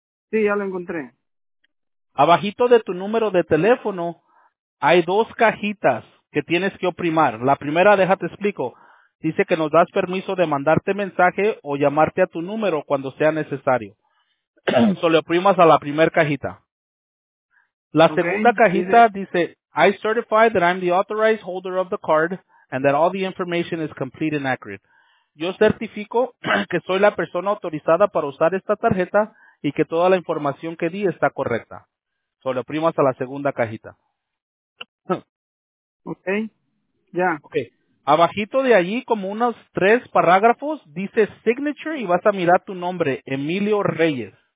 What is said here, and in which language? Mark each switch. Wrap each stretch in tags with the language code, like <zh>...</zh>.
<es>Sí, ya lo encontré. Abajito de tu número de teléfono hay dos cajitas que tienes que oprimar. La primera, déjate explico, dice que nos das permiso de mandarte mensaje o llamarte a tu número cuando sea necesario. So le oprimas a la primera cajita. La segunda cajita dice:</es> <en>"I certify that I'm the authorized holder of the card and that all the information is complete and accurate."</en> <es>Yo certifico que soy la persona autorizada para usar esta tarjeta y que toda la información que di está correcta. So le oprimas a la segunda cajita. Okay. Ya. Okay. Abajito de allí, como unos 3 parágrafos, dice signature y vas a mirar tu nombre, Emilio Reyes.</es>